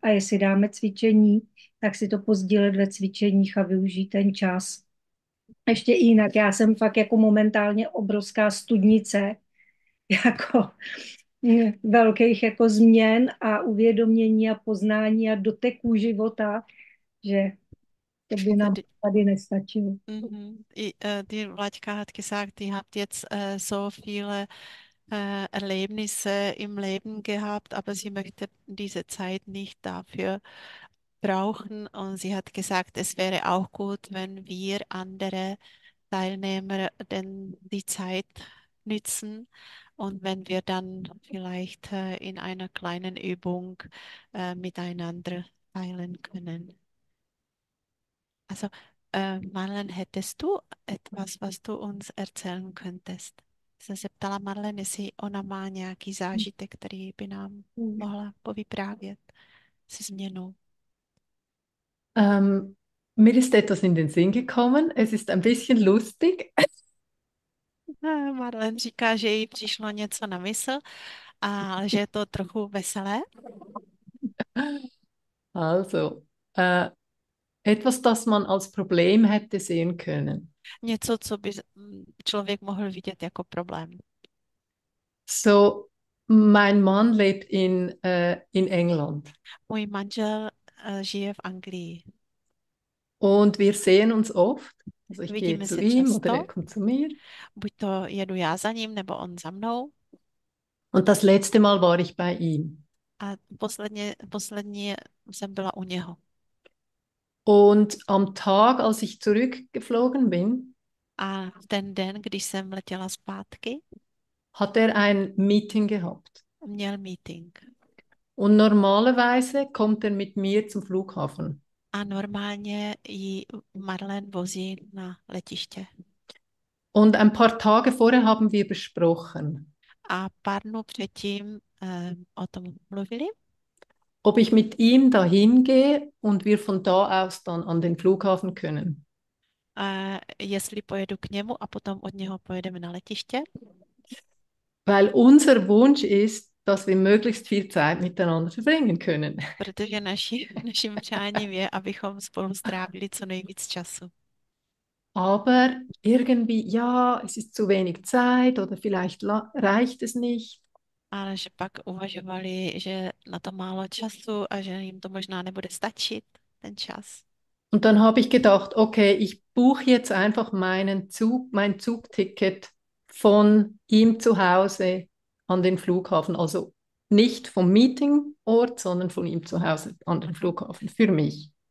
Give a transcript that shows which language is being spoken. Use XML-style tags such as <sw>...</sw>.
<cs>A jestli dáme cvičení, tak si to posdílet ve cvičeních a využít ten čas. Ještě jinak, já jsem fakt jako momentálně obrovská studnice jako velkých jako změn a uvědomění a poznání a doteků života, že to by</cs> <de>Also</de> <cs>nám tady nestačilo.</cs> <de>die Vlaďka hat gesagt, ihr habt jetzt so viele Erlebnisse im Leben gehabt, aber sie möchte diese Zeit nicht dafür brauchen. Und sie hat gesagt, es wäre auch gut, wenn wir andere Teilnehmer denn die Zeit nützen und wenn wir dann vielleicht in einer kleinen Übung miteinander teilen können. Also, Marlen, hättest du etwas, was du uns erzählen könntest?</de> <cs>Jsem se ptala Marlene, jestli ona má nějaký zážitek, který by nám mohla povyprávět se změnou.</cs> <de>Mir ist etwas in den Sinn gekommen. Es ist ein bisschen lustig.</de> <cs>Marlene říká, že jí přišlo něco na mysl a že je to trochu veselé.</cs> <de>Also, etwas, das man als Problem hätte sehen können.</de> <cs>Něco, co by člověk mohl vidět jako problém.</cs> <de>So. Mein Mann lebt in England.</de> <cs>Můj manžel žije v Anglii.</cs> <de>Und wir sehen uns oft. Also ich gehe</de> <cs>Vidíme</cs> <de>zu</de> <cs>se</cs> <de>ihm oder er</de> <cs>často.</cs> <de>kommt zu mir.</de> <cs>Buď to jedu já za ním, nebo on za mnou.</cs> <de>Und das letzte Mal war ich bei ihm.</de> <cs>A posledně jsem byla u něho.</cs> <de>Und am Tag, als ich zurückgeflogen bin,</de> <cs>A ten den, když jsem letěla zpátky,</cs> <de>hat er ein Meeting gehabt.</de> <cs>měl meeting.</cs> <de>Und normalerweise kommt er mit mir zum Flughafen.</de> <cs>A normálně ji Marlen vozí na letiště.</cs> <de>Und ein paar Tage vorher haben wir besprochen,</de> <cs>A pár dnů předtím o tom mluvili.</cs> <de>ob ich mit ihm dahin gehe und wir von da aus dann an den Flughafen können.</de> <cs>Jestli pojedu k němu a potom od něho pojedeme na letiště.</cs> <de>Weil unser Wunsch ist, dass wir möglichst viel Zeit miteinander verbringen können.</de> <cs>Protože naším přáním je, abychom spolu strávili co nejvíc času.</cs> <de>Aber irgendwie, ja, es ist zu wenig Zeit oder vielleicht reicht es nicht.</de> <cs>Ale že pak uvažovali, že na to málo času a že jim to možná nebude stačit, ten čas.</cs> <de>Und dann habe ich gedacht, okay, ich buche jetzt einfach mein Zugticket. Von ihm zu Hause an den Flughafen, also nicht vom Meetingort, sondern von ihm zu Hause an den Flughafen für mich.</de>